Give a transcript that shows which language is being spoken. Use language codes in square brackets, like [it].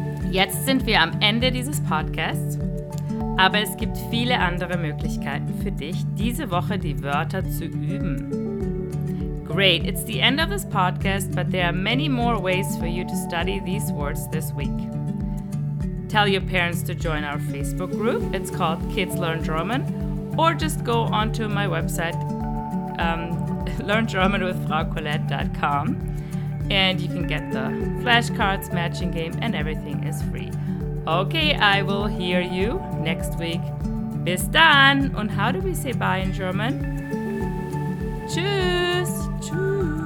[de] Jetzt sind wir am Ende dieses Podcasts. Aber es gibt viele andere Möglichkeiten für dich, diese Woche die Wörter zu üben. [en] Great, it's the end of this podcast, but there are many more ways for you to study these words this week. Tell your parents to join our Facebook group. It's called Kids Learn German. Or just go onto my website, learngermanwithfraucolette.com, and you can get the flashcards, matching game, and everything is free. Okay, I will hear you next week. [de] Bis dann! Und [en] how do we say bye in German? [de] Tschüss! Tschüss!